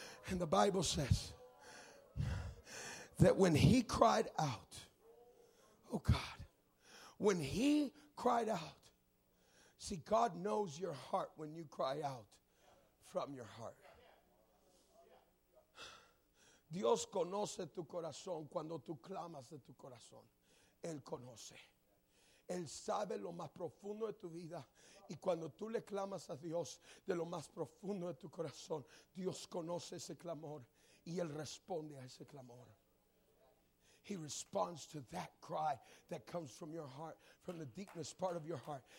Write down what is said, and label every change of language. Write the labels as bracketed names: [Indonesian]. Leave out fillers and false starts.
[English] And the Bible says that when he cried out, oh God, when he cried out, see, God knows your heart when you cry out from your heart. [Spanish] Dios conoce tu corazón cuando tú clamas de tu corazón. Él conoce. Él sabe lo más profundo de tu vida. Y cuando tú le clamas a Dios de lo más profundo de tu corazón, Dios conoce ese clamor y Él responde a ese clamor. [English] He responds to that cry that comes from your heart, from the deepest part of your heart.